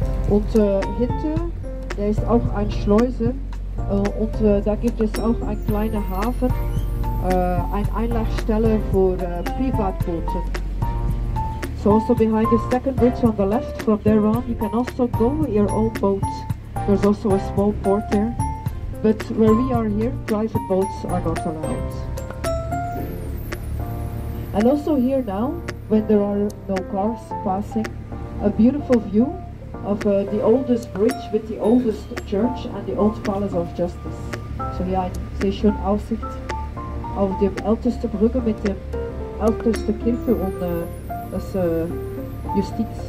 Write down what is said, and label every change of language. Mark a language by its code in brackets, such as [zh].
[de] Und hinter, da ist auch ein Schleuse, und da gibt es auch ein kleiner Hafen. Ein Einlassstelle für Privatboote. [en] So also behind the second bridge on the left, from there on, you can also go with your own boat. There's also a small port there. But where we are here, private boats are not allowed. And also here now, when there are no cars passing, a beautiful view of the oldest bridge with the oldest church and the old Palace of Justice. So here, yeah, [de] sehr schön Aussicht auf dem ältesten Brücke mit dem ältesten Kirche und das Justiz.